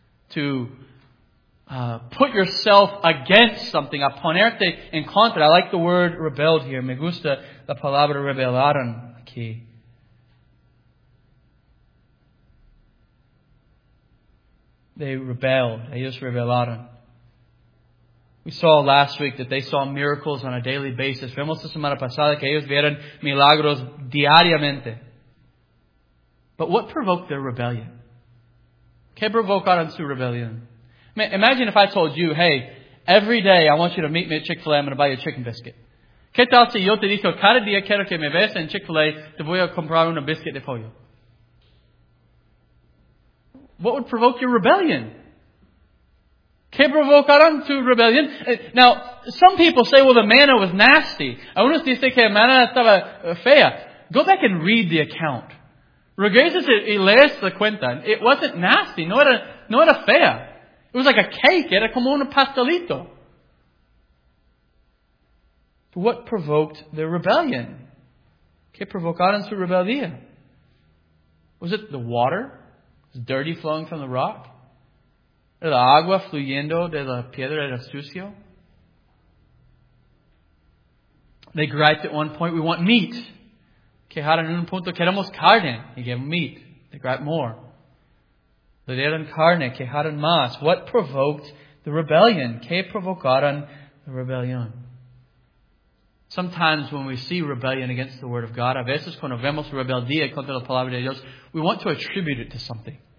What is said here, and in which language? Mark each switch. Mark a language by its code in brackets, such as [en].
[en] To put yourself against something, [es] a ponerte en contra. [en] I like the word rebelled here. [es] Me gusta la palabra rebelaron. [en] They rebelled. [es] Ellos rebelaron. [en] We saw last week that they saw miracles on a daily basis. [es] Vemos la semana pasada que ellos vieron milagros diariamente. [en] But what provoked their rebellion? [es] ¿Qué provocaron su rebellion? [en] Imagine if I told you, hey, every day I want you to meet me at Chick-fil-A, I'm going to buy you a chicken biscuit. [es] ¿Qué tal si yo te digo, cada día quiero que me ves en Chick-fil-A, te voy a comprar una biscuit de pollo? [en] What would provoke your rebellion? [es] ¿Qué provocarán tu rebelión? [en] Now, some people say, well, the manna was nasty. [es] Algunos dicen que la manna estaba fea. [en] Go back and read the account. [es] Regresas y lees la cuenta. [en] It wasn't nasty. [es] No era fea. [en] It was like a cake. [es] Era como un pastelito. [en] What provoked their rebellion? [es] ¿Qué provocaron su rebeldía? [en] Was it the water? Was it dirty flowing from the rock? [es] ¿El agua fluyendo de la piedra era sucio? [en] They griped at one point, we want meat. [es] Quejaron en un punto, queremos carne. Y gave meat. [en] They griped more. [es] Le dieron carne, quejaron más. [en] What provoked the rebellion? [es] ¿Qué provocaron la rebelión? [en] Sometimes when we see rebellion against the Word of God, [es] a veces cuando vemos rebeldía contra la Palabra de Dios, [en] we want to attribute it to something.